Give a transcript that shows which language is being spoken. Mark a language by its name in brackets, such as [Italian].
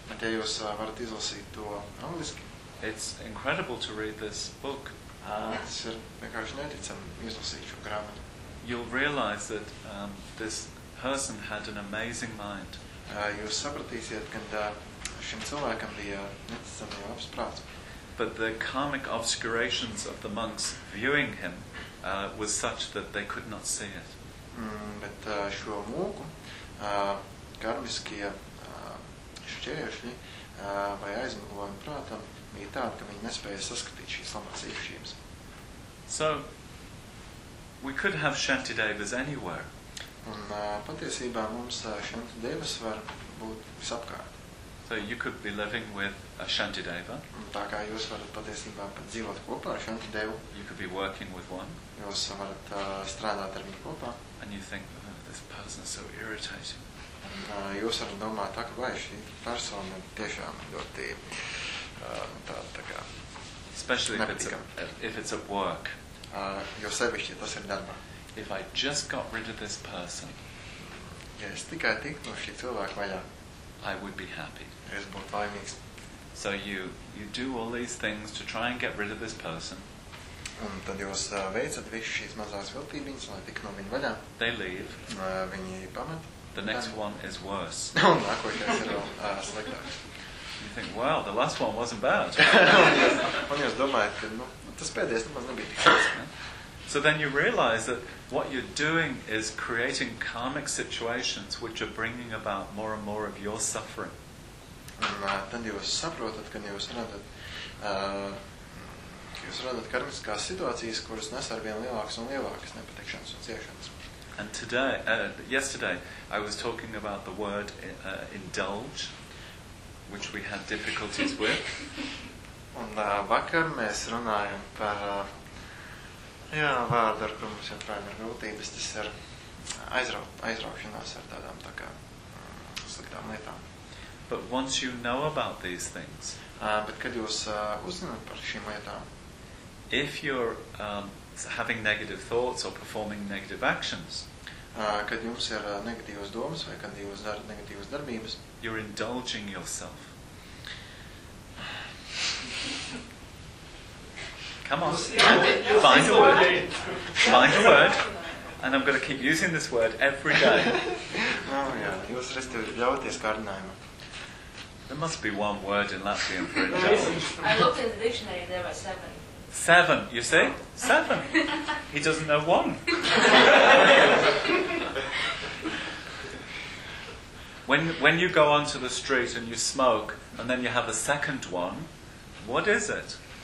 [Latvian] bet ja jūs varat izlasīt to angliski, [English] it's incredible to read this book. [Latvian] Tas ir vienkārši neticami izlasīt šo grāmatu. [English] You'll realize that this person had an amazing mind. [Latvian] Jūs sapratīsiet, ka šim cilvēkam bija neticami labs prāts. [English] But the karmic obscurations of the monks viewing him was such that they could not see it. [Latvian] Bet šo mūku karmiskie šķēršļi vai aizmiglojumi prātam bija tādi, ka viņi nespēja saskatīt šīs labās īpašības. [English] So We could have shanti devas anywhere. [Latvian] Un patiesībā mums shanti devas var būt visapkārt. [English] So you could be living with a shanti deva. [Latvian] Tā kā jūs varat patiesībā pat dzīvot kopā ar shanti devu. [English] You could be working with one. [Latvian] Jūs varat strādāt ar viņu kopā. [English] And you think, oh, this person is so irritating. [Latvian] Jūs varat domāt, tā kā vai šī persona tiešām ļoti tā kā [English] especially if it's at work. [Latvian] Jo sevišķi, tas ir darbā. [English] If I just got rid of this person, [Latvian] ja es tikai tiktu no šī cilvēka vaļā, [English] I would be happy. [Latvian] Es būtu laimīgs. [English] So you do all these things to try and get rid of this person. [Latvian] Un tad jūs veicat visu šīs mazās viltībiņas, lai tiktu no viņa vaļā. [English] They leave. [Latvian] Viņi pamet. [English] The next one is worse. [Latvian] Un nākošais ir vēl sliktāks. [English] You think, well, the last one wasn't bad. [Latvian] Un jūs domājat, ka tas pēdējais nemaz nebija tik. [English] So then you realize that what you're doing is creating karmic situations which are bringing about more and more of your suffering. [Latvian] Tad jūs saprotat, ka jūs radat karmiskās situācijas, kuras nes arvien lielākas un lielākas nepatikšanas un ciešanas. [English] And today, yesterday, I was talking about the word indulge, which we had difficulties with. [Latvian] Un vakar mēs runājam par jā, vārdu, ar kur mums jāprājām ir grūtības, tas ir aizraukšanās ar tādām tā kā sliktām lietām. [English] But once you know about these things, [Latvian] bet kad jūs uzzināt par šīm lietām, [English] if you're having negative thoughts or performing negative actions, [Latvian] kad jums ir negatīvas domas vai kad jūs darat negatīvas darbības, [English] you're indulging yourself. Come on, find a word. Find a word. And I'm going to keep using this word every day. [Latvian] Jūs restu ļauties kārdinājumu. [English] There must be one word in Latvian for indulge. I looked in the dictionary, there were seven. Seven, you see? Seven. He doesn't know one. When you go onto the street and you smoke, and then you have a second one, what is it?